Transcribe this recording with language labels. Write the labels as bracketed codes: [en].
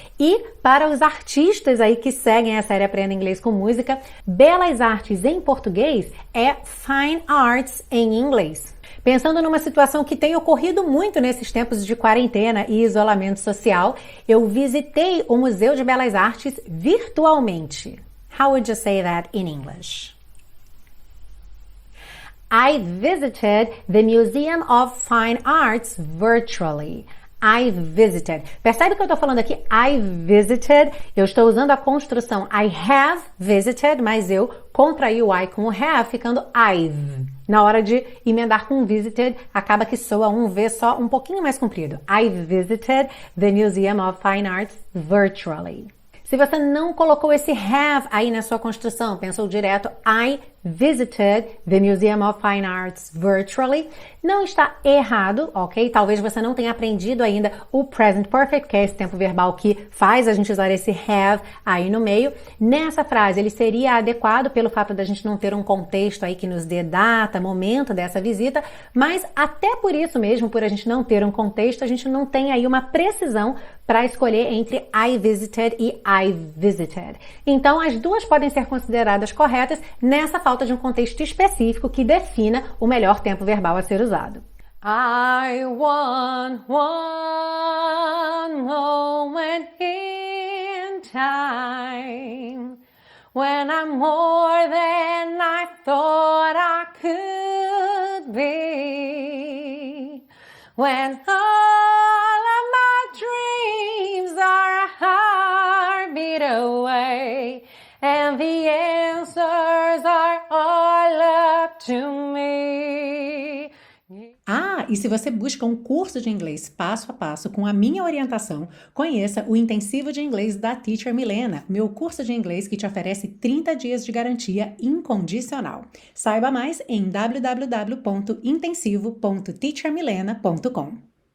[pt] E para os artistas aí que seguem a série Aprenda Inglês com Música, belas artes em português é fine arts em inglês. Pensando numa situação que tem ocorrido muito nesses tempos de quarentena e isolamento social, eu visitei o Museu de Belas Artes virtualmente. [en] How would you say that in English? I visited the Museum of Fine Arts virtually. I visited. [pt] Percebe que eu estou falando aqui? I visited. Eu estou usando a construção I have visited, mas eu contraí o I com o have, ficando I've. Na hora de emendar com visited, acaba que soa um V só um pouquinho mais comprido. [en] I visited the Museum of Fine Arts virtually. [pt] Se você não colocou esse have aí na sua construção, pensou direto, I visited the Museum of Fine Arts virtually, não está errado, ok? Talvez você não tenha aprendido ainda o present perfect, que é esse tempo verbal que faz a gente usar esse have aí no meio. Nessa frase, ele seria adequado pelo fato da gente não ter um contexto aí que nos dê data, momento dessa visita, mas até por isso mesmo, por a gente não ter um contexto, a gente não tem aí uma precisão para escolher entre I visited e I visited. Então, as duas podem ser consideradas corretas nessa falta de um contexto específico que defina o melhor tempo verbal a ser usado. [en] I want one moment in time when I'm more than I thought I could be, when all of my dreams are a heartbeat away and the answers are all up to me. [pt] Ah, e se você busca um curso de inglês passo a passo com a minha orientação, conheça o Intensivo de Inglês da Teacher Milena, meu curso de inglês que te oferece 30 dias de garantia incondicional. Saiba mais em www.intensivo.teachermilena.com.